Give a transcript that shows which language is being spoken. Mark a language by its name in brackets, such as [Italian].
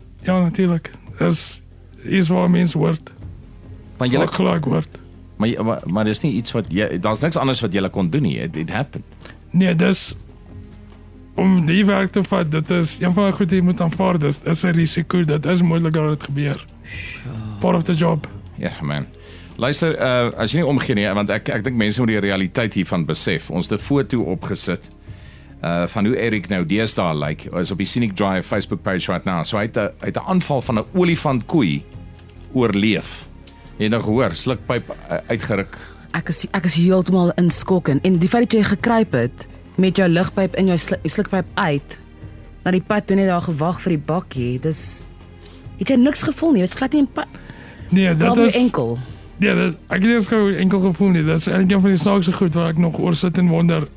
[Afrikaans] Ja, natuurlijk. Dit is waar mens word. Want gelijk word. Maar dis nie iets wat jy, daar's niks anders wat jy kon doen nie. [English] It happened. [Afrikaans] Nee, dis om die werk te vat, dit is een van die goed jy moet aanvaar, dit is 'n risiko, dit is moeilik dat dit gebeur. [English] Part of the job. [Afrikaans] Ja, [English] yeah, man. [Afrikaans] Luister, as jy nie omgee nie, want ek dink mense moet die realiteit hiervan besef. Ons het 'n foto opgesit van hoe Eric nou deesdae lyk. Is op die Scenic Drive Facebook page [English] right now. [Afrikaans] So hy het 'n aanval van 'n olifant koei oorleef. Jy nog hoor, slukpyp uitgeruk. Ek is heeltemal in skok en die feit dat jy gekruip het met jou lugpyp in jou slukpyp uit na die pad toe net daar gewag vir die bakkie, dis het jy niks gevoel nie. Dit was glad nie 'n pad. Nee, dit is enkel. Ja, dat, ek het eers gou enkel gevoel nie. Dit is eintlik een van die saakse goed waar ek nog oor sit en wonder.